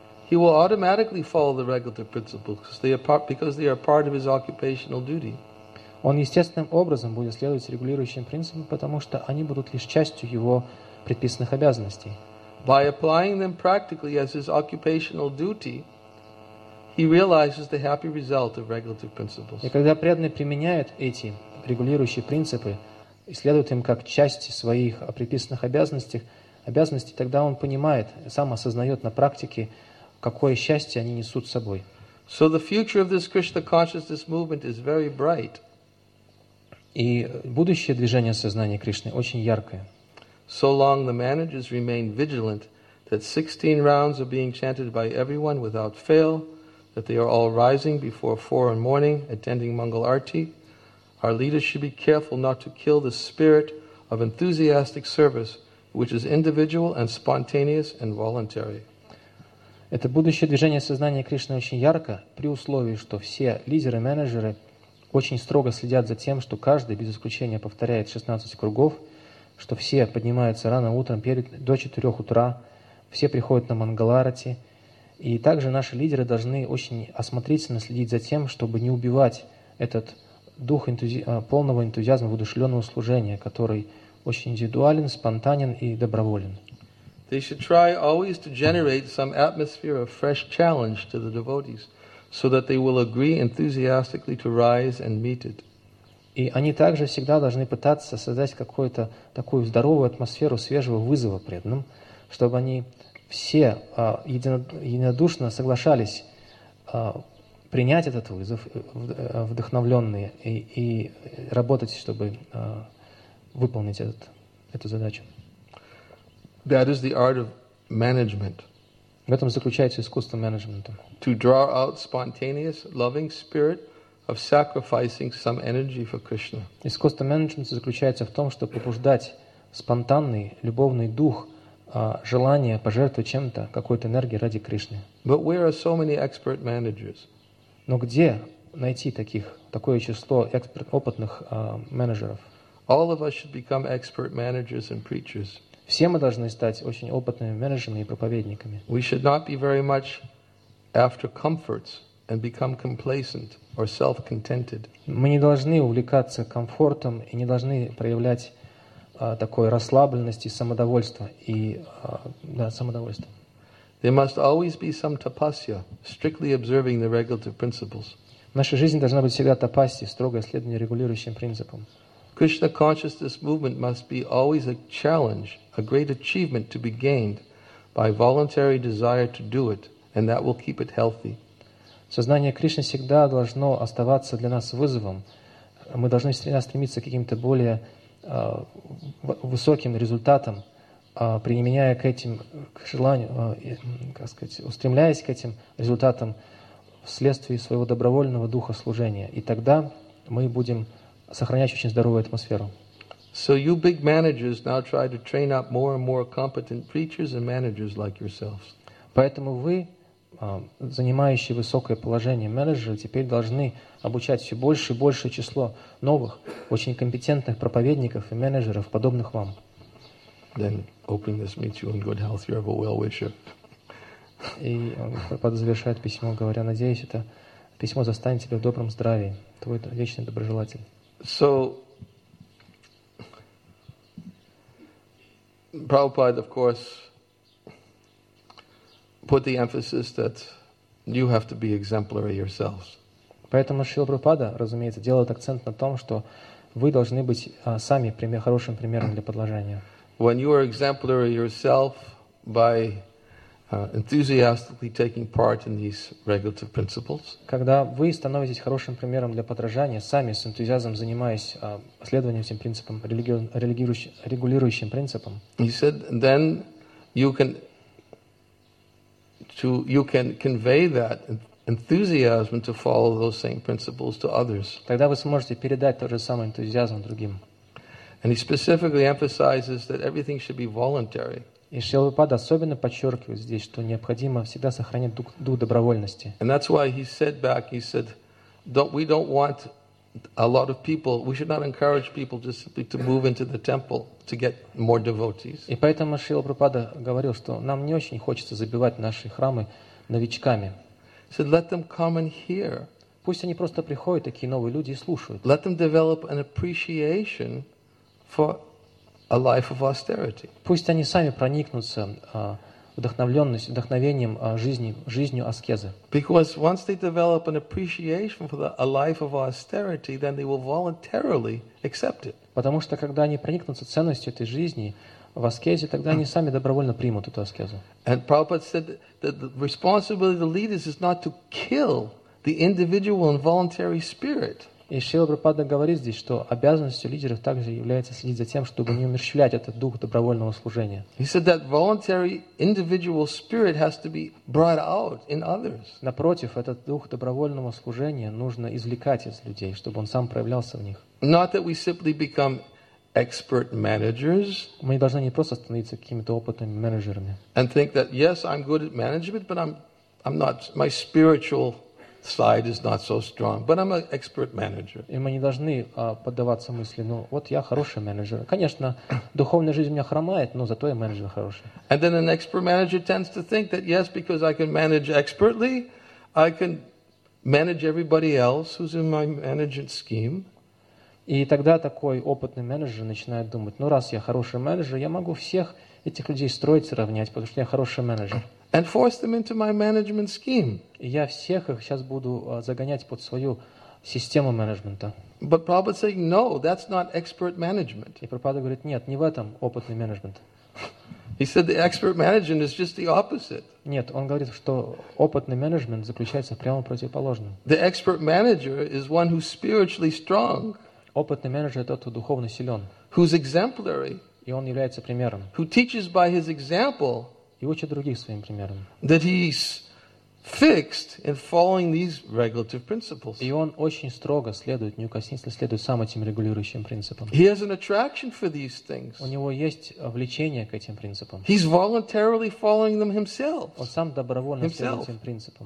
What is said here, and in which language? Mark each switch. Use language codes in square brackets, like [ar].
[en] He will automatically follow the regular principles because they are part of his occupational duty. [ru] Он естественным образом будет следовать регулирующим принципам, потому что они будут лишь частью его предписанных обязанностей. [en] By applying them practically as his occupational duty, he realizes the happy result of regulative principles. [ru] И когда преданный применяет эти регулирующие принципы, следует им как части своих предписанных обязанностей, тогда он понимает, сам осознает на практике, какое счастье они несут с собой. [en] So the future of this Krishna consciousness movement is very bright. [ru] И будущее движения сознания Кришны очень яркое. [en] So long the managers remain vigilant that 16 rounds are being chanted by everyone without fail, that they are all rising before 4 in the morning, attending Mangal Arti. Our leaders should be careful not to kill the spirit of enthusiastic service, which is individual and spontaneous and voluntary. [ru] Это будущее движение сознания Кришны очень ярко, при условии, что все лидеры, менеджеры очень строго следят за тем, что каждый, без исключения, повторяет 16 кругов, что все поднимаются рано утром до 4 утра, все приходят на Мангаларати. И также наши лидеры должны очень осмотрительно следить за тем, чтобы не убивать этот дух полного энтузиазма, воодушевленного служения, который очень индивидуален, спонтанен и доброволен. [en] They should try always to generate some atmosphere of fresh challenge to the devotees, so that they will agree enthusiastically to rise and meet it. [ru] И они также всегда должны пытаться создать какую-то такую здоровую атмосферу свежего вызова преданным, чтобы они все единодушно соглашались принять этот вызов, вдохновленные, и работать, чтобы выполнить эту задачу. [en] That is the art of management. [ru] В этом заключается искусство менеджмента. [en] To draw out spontaneous, loving spirit of sacrificing some energy for Krishna. [ru] Искусство менеджмента заключается в том, чтобы побуждать спонтанный любовный дух, желание пожертвовать чем-то, какой-то энергией ради Кришны. [en] But where are so many expert managers? [ru] Но где найти такое число опытных менеджеров? [en] All of us should become expert managers and preachers. [ru] Все мы должны стать очень опытными менеджерами и проповедниками. [en] We should not be very much after comforts and become complacent or self-contented. [ru] Мы не должны увлекаться комфортом и не должны проявлять такой расслабленности, самодовольства. [en] There must always be some tapasya, strictly observing the regulative principles. [ru] В нашей жизни должна быть всегда тапасья, строгое следование регулирующим принципам. [en] Krishna consciousness movement must be always a challenge, a great achievement to be gained by voluntary desire to do it, and that will keep it healthy. [ru] Сознание Кришны всегда должно оставаться для нас вызовом. Мы должны всегда стремиться к каким-то более высоким результатам, применяя к этим к желанию, как сказать, устремляясь к этим результатам вследствие своего добровольного духа служения. И тогда мы будем сохранять очень здоровую атмосферу. [en] So you big managers now try to train up more and more competent preachers and managers like yourselves. [ru] Поэтому вы, занимающие высокое положение менеджеры, теперь должны обучать все больше и большее число новых, очень компетентных проповедников и менеджеров, подобных вам. [en] Then open this meeting in good health, you're a well-wisher. [ru] И он завершает письмо, говоря, надеюсь, это письмо застанет тебя в добром здравии, твой вечный доброжелатель. [en] So, Prabhupada, of course, put the emphasis that you have to be exemplary yourselves. [ru] Поэтому Шрила Прабхупада, разумеется, делает акцент на том, что вы должны быть сами хорошим примером для подражания. [en] When you are exemplary yourself by enthusiastically taking part in these regulative principles. [ru] Когда вы становитесь хорошим примером для подражания, сами с энтузиазмом занимаясь следованием этим принципам, регулирующим принципам. [en] He said, then you can convey that enthusiasm to follow those same principles to others. [ru] Тогда вы сможете передать тот же самый энтузиазм другим. [en] And he specifically emphasizes that everything should be voluntary. [ru] И Шрила Прабхупада особенно подчеркивает здесь, что необходимо всегда сохранять дух добровольности. [en] And that's why he said back, he said, we don't want a lot of people, we should not encourage people just simply to move into the temple to get more devotees. [ru] И поэтому Шрила Прабхупада говорил, что нам не очень хочется забивать наши храмы новичками. [en] He said, let them come and hear. [ru] Пусть они просто приходят, такие новые люди, и слушают. [en] Let them develop an appreciation for a life of austerity. [ru] Пусть они сами проникнутся вдохновением жизнью аскезы. [en] Because once they develop an appreciation for a life of austerity, then they will voluntarily accept it. [ru] Потому что когда они проникнутся ценностью этой жизни в аскезе, тогда они сами добровольно примут эту аскезу. [en] And Prabhupada said that the responsibility of the leaders is not to kill the individual and voluntary spirit. [ru] И Шрила Прабхупада говорит здесь, что обязанностью лидеров также является следить за тем, чтобы не умерщвлять этот дух добровольного служения. [en] He said that voluntary individual spirit has to be brought out in others. [ru] Напротив, этот дух добровольного служения нужно извлекать из людей, чтобы он сам проявлялся в них. [en] Not that we simply become expert managers. [ru] Мы не должны не просто становиться какими-то опытными менеджерами. [en] And think that yes, I'm good at management, but I'm not my spiritual side is not so strong, but I'm an expert manager. [ru] И мы не должны поддаваться мысли, ну вот я хороший менеджер. Конечно, духовная жизнь у меня хромает, но зато я менеджер хороший. [en] And then an expert manager tends to think that yes, because I can manage expertly, I can manage everybody else who's in my management scheme. [ru] И тогда такой опытный менеджер начинает думать, ну раз я хороший менеджер, я могу всех этих людей строить, сравнять, потому что я хороший менеджер. [en] And force them into my management scheme. [ru] Я всех их сейчас буду загонять под свою систему менеджмента. [en] But Prabhupada saying, no, that's not expert management. [ru] И Прабхупада говорит, нет, не в этом опытный менеджмент. [en] He said the expert management is just the opposite. [ru] Нет, он говорит, что опытный менеджмент заключается прямо в противоположном. [en] The expert manager is one who's spiritually strong. [ru] Опытный менеджер тот, кто духовно силен. [en] Who's exemplary. [ru] И он является примером. [en] Who teaches by his example. [ru] И учит других своим примером. [en] That he's fixed in following these regulative principles. [ru] И он очень строго следует, неукоснительно следует сам этим регулирующим принципам. [en] He has an attraction for these things. [ru] У него есть влечение к этим принципам. [en] He's voluntarily following them himself. [ru] Он сам добровольно следует этим принципам.